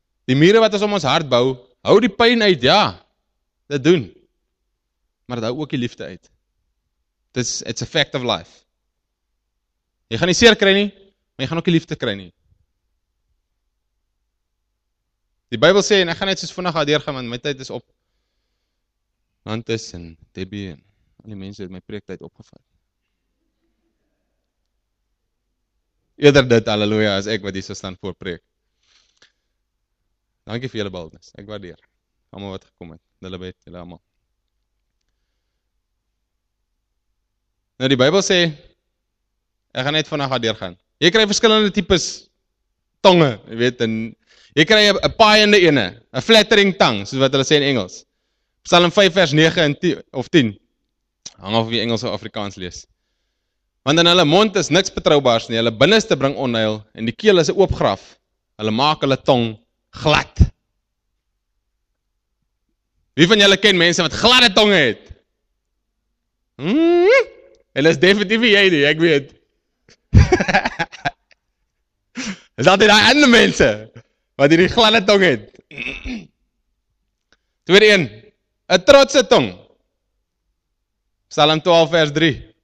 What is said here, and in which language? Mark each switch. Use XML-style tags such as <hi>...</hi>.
<af>Die mure wat ons om ons hart bou, hou die pyn uit, ja, dit doen. Maar dit hou ook die liefde uit.</af> <en>It's a fact of life.</en> <af>Jy gaan nie seer kry nie, maar jy gaan ook die liefde kry nie. Die Bybel sê, en ek gaan net soos vinnig daar deurgaan, want my tyd is op. Nantes en Debbie en al die mense het my preektyd opgevat. Eerder dit, halleluja, as ek wat hier so staan voor preek. Dankie vir julle baldnis. Ek waardeer. Almal wat gekom het. Hulle bid, julle almal. Nou die Bybel sê, ek gaan net vandag daar deurgaan. Jy kry verskillende types tonge, jy weet, en jy kry 'n paaiende ene, 'n flattering tongue, soos wat hulle sê in Engels. Psalm 5 vers 9 en 10, of 10. Hang af of jy Engels of Afrikaans lees. Want in hulle mond is niks betroubaars nie. Hulle binneste bring onheil en die keel is 'n oop graf. Hulle maak hulle tong glad. Wie van julle ken mense wat gladde tonge het? Hulle is definitief jy nie, ek weet. Is dat die ander mense wat hierdie gladde tong het? Tweede een, 'n trotse tong. Psalm 12 vers 3.</af>